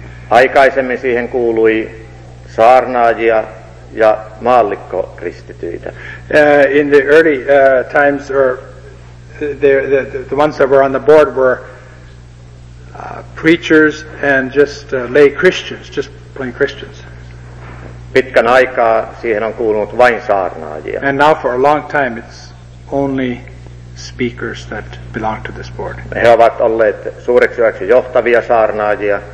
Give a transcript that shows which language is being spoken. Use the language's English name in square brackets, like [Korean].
[Finnish] Aikaisemmin siihen kuului saarnaajia ja maallikkokristityitä. [English] In the early times or the ones that were on the board were preachers and just lay Christians, just plain Christians. [Finnish] Pitkän aikaa siihen on kuulunut vain saarnaajia. [English] And now for a long time it's only speakers that belong to this board. [Finnish] He ovat olleet suureksi ajaksi johtavia saarnaajia.